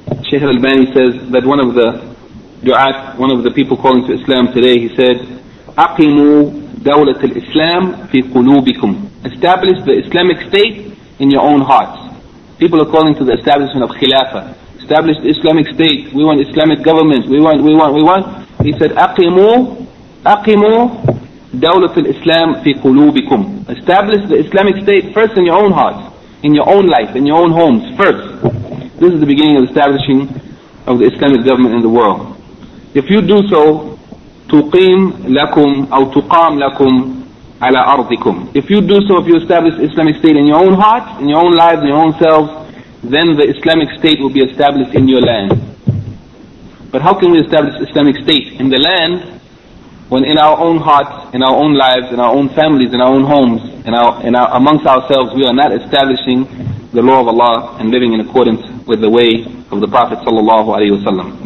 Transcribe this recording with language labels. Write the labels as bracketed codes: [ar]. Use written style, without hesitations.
[en] Shaykh al-Albani says that one of the du'at, one of the people calling to Islam today, he said, [ar] أَقِمُوا دَوْلَةَ الْإِسْلَامِ فِي قُلُوبِكُمْ. [en] Establish the Islamic State in your own hearts. People are calling to the establishment of Khilafah. Establish the Islamic State. We want Islamic government. We want. He said, [ar] أَقِمُوا دَوْلَةَ الْإِسْلَامِ فِي قُلُوبِكُمْ. [en] Establish the Islamic State first in your own hearts, in your own life, in your own homes, first. This is the beginning of establishing of the Islamic government in the world. If you do so, [ar] تُقِيم لَكُمْ أَوْ تُقَامْ لَكُمْ عَلَىٰ أَرْضِكُمْ. [en] If you do so, if you establish Islamic State in your own heart, in your own lives, in your own selves, then the Islamic State will be established in your land. But how can we establish Islamic State in the land when in our own hearts, in our own lives, in our own families, in our own homes, in our amongst ourselves, we are not establishing the law of Allah and living in accordance with the way of the Prophet sallallahu alayhi wasallam.